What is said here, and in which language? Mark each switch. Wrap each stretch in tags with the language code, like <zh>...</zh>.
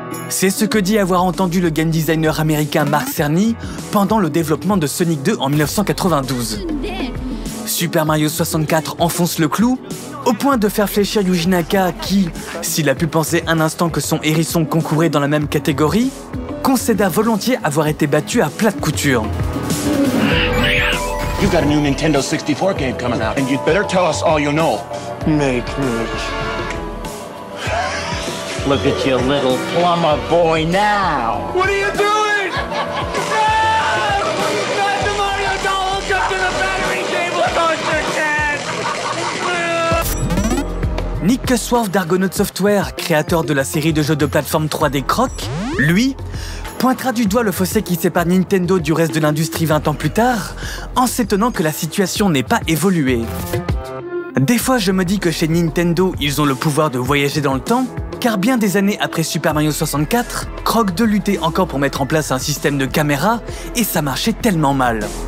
<fr>C'est ce que dit avoir entendu le game designer américain Mark Cerny pendant le développement de Sonic 2 en 1992. Super Mario 64 enfonce le clou, au point de faire fléchir Yuji Naka qui, s'il a pu penser un instant que son hérisson concourait dans la même catégorie, concéda volontiers avoir été battu à plate couture.</fr> <en>You got a new Nintendo 64 game coming out, and you'd better tell us all you know. Make me. Look at your little plumber boy now. What are you doing? Run! The Mario doll hooked up to the battery cable. Don't you can.</en> <fr>Nick Cusworth d'Argonaut Software, créateur de la série de jeux de plateforme 3D Croc, lui, pointera du doigt le fossé qui sépare Nintendo du reste de l'industrie 20 ans plus tard, en s'étonnant que la situation n'ait pas évolué. Des fois, je me dis que chez Nintendo, ils ont le pouvoir de voyager dans le temps, car bien des années après Super Mario 64, Croc de luttait encore pour mettre en place un système de caméra, et ça marchait tellement mal.</fr>